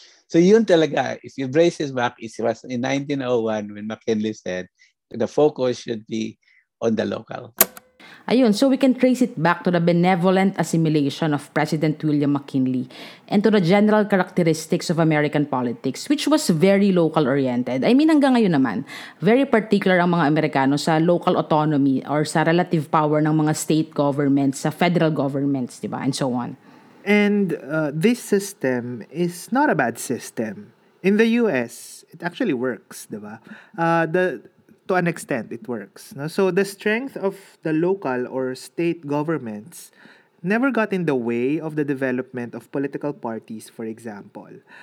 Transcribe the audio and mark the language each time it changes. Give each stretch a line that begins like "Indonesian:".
Filipino: So yun talaga,
English: if you brace this back, it was in 1901 when McKinley said the focus should be on the local. Ayun, so we can trace it back to the benevolent assimilation of President William McKinley and to the general characteristics of American politics, which was very local-oriented. I mean,
Filipino: hanggang ngayon naman,
English: very particular
Filipino: ang mga Amerikano sa local autonomy or sa relative power ng mga state governments, sa federal governments, di ba,
English: and so on. And this system is not a bad system. In the U.S., it actually works, di ba? To an extent, it works. No? So the strength of the local or state governments never got in the way of the development of political parties, for example.